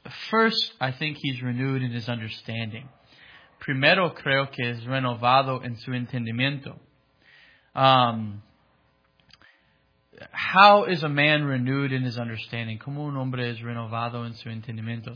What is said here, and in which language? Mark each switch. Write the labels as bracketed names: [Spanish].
[English] First, I think he's renewed in his understanding. [Spanish] Primero, creo que es renovado en su entendimiento. [English] How is a man renewed in his understanding? [Spanish] ¿Cómo un hombre es renovado en su entendimiento?